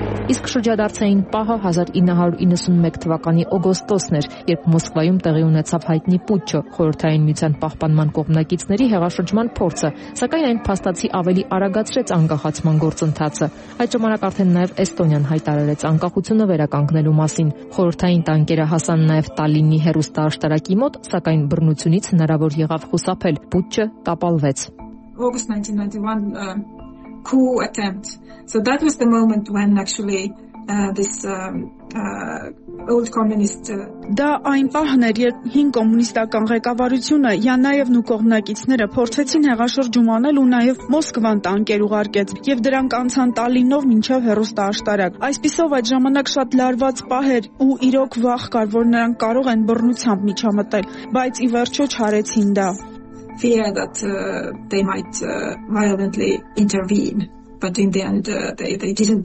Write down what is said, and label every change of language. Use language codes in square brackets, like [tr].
[hy] իսկ շրջադարձային պահը 1991 թվականի օգոստոսն էր, երբ Մոսկվայում տեղի ունեցավ հայտնի պուտչը, խորհրդային միության պահպանման կողմնակիցների հեղաշրջման փորձը, սակայն այն փաստացի ավելի արագացրեց անկախացման գործընթացը։ Այդ ժամանակ արդեն նաև Էստոնիան հայտարարեց անկախությունը վերականգնելու մասին։ Խորհրդային տանկերը հասան նաև Տալինի հերոստաշտարակի մոտ, սակայն բռնությունից հնարավոր եղավ խուսափել, պուտչը կապալվեց։ [en] August 1991 coup attempt. So that was the moment when actually old communist [hy] Դա այն պահն էր, երբ հին կոմունիստական ղեկավարությունը Յանայևն ու կողմնակիցները փորձեցին հեղաշրջում անել ու նաև Մոսկվան տանկեր ուղարկեց, եւ դրանք անցան Տալինով մինչեւ հերոստաշտարակ։ Այսպիսով այդ ժամանակ շատ լարված պահ էր ու իրոք վախ կար, որ նրանք կարող են բռնությամբ միջամտել, բայց ի վերջո չարեցին դա։ [en] Fear that they might violently intervene, but in the end they didn't.